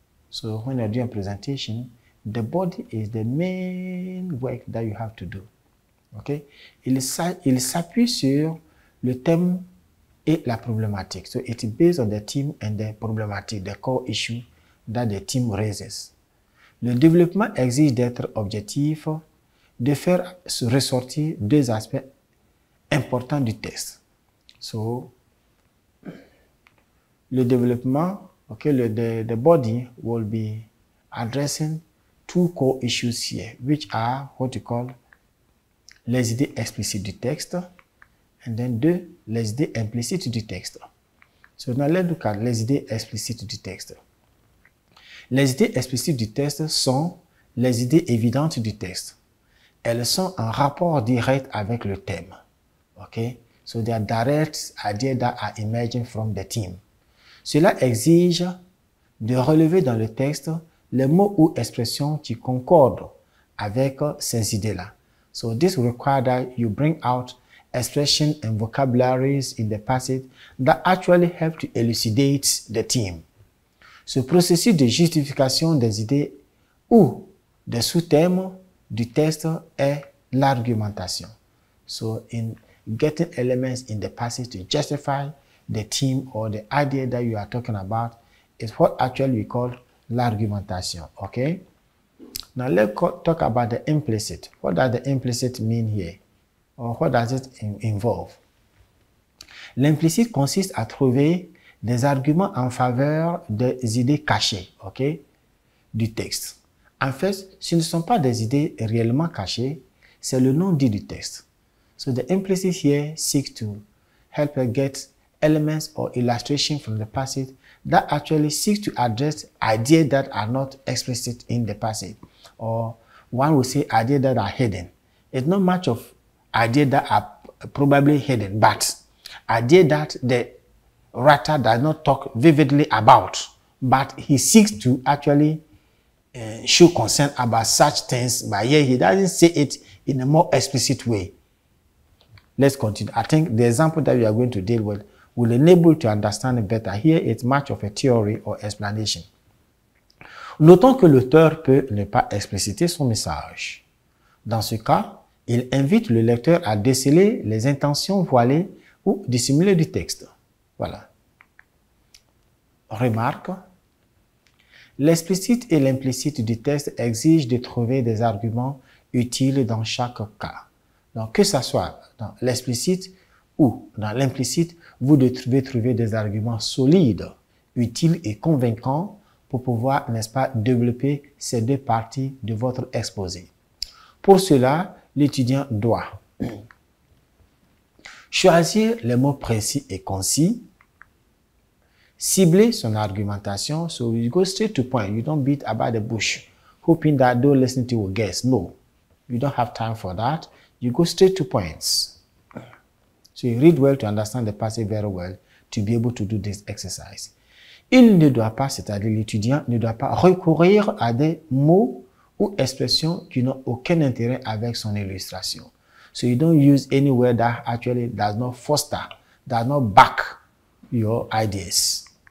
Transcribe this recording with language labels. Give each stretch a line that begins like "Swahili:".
English: So, when you're doing a presentation, the body is the main work that you have to do. Okay?
French: Il s'appuie sur le thème et la problématique.
English: So it is based on the theme and the problematic, the core issue that the theme raises.
French: Le développement exige d'être objectif, de faire ressortir deux aspects importants du texte.
English: So, le développement, okay, the body will be addressing two core issues here, which are what you call
French: les idées explicites du texte.
English: And then
French: deux, les idées implicites du texte.
English: So now let's look at
French: les idées explicites du texte. Les idées explicites du texte sont les idées évidentes du texte. Elles sont en rapport direct avec le thème. OK?
English: So they are direct ideas that are emerging from the theme.
French: Cela exige de relever dans le texte les mots ou expressions qui concordent avec ces idées-là.
English: So this requires that you bring out expressions and vocabularies in the passage that actually help to elucidate the theme.
French: Ce processus de justification des idées ou des sous-thèmes du texte est l'argumentation.
English: So in getting elements in the passage to justify the theme or the idea that you are talking about is what actually we call l'argumentation. Okay? Now let's talk about the implicit. What does the implicit mean here? Or what does it involve?
French: L'implicit consiste à trouver des arguments en faveur des idées cachées, ok, du texte. En fait, ce ne sont pas des idées réellement cachées, c'est le nom dit du texte.
English: So the implicit here seeks to help her get elements or illustrations from the passage that actually seeks to address ideas that are not explicit in the passage. Or one would say ideas that are hidden. It's not much of ideas that are probably hidden, but ideas that the writer does not talk vividly about, but he seeks to actually show concern about such things, but yet he doesn't say it in a more explicit way. Let's continue. I think the example that we are going to deal with will enable you to understand it better. Here it's much of a theory or explanation.
French: Notons que l'auteur peut ne pas expliciter son message. Dans ce cas, il invite le lecteur à déceler les intentions voilées ou dissimulées du texte. Voilà. Remarque. L'explicite et l'implicite du texte exigent de trouver des arguments utiles dans chaque cas. Donc, que ce soit dans l'explicite ou dans l'implicite, vous devez trouver des arguments solides, utiles et convaincants pour pouvoir, n'est-ce pas, développer ces deux parties de votre exposé. Pour cela, l'étudiant doit choisir les mots précis et concis, cibler son argumentation.
English: So you go straight to point. You don't beat about the bush, hoping that those listening to you will guess. No, you don't have time for that. You go straight to points. So you read well to understand the passage very well to be able to do this exercise.
French: Il ne doit pas, c'est-à-dire l'étudiant, ne doit pas recourir à des mots ou expressions qui n'ont aucun intérêt avec son illustration.
English: So you don't use any word that actually does not foster, does not back your ideas.